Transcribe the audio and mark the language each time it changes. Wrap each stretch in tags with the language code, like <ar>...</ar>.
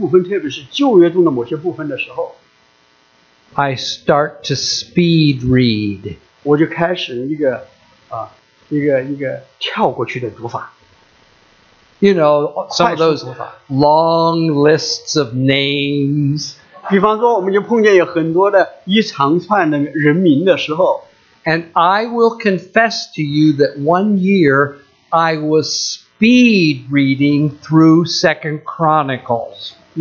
<zh>读到圣经的某些部分，特别是旧约中的某些部分的时候，</zh> <en>I start to speed read.</en> <zh>我就开始一个跳过去的读法。</zh> <en>You know, some of those long lists of names.</en> <zh>比方说我们就碰见有很多的一长串的人名的时候，</zh> <en>And I will confess to you that one year I was speed reading through 2 Chronicles.</en>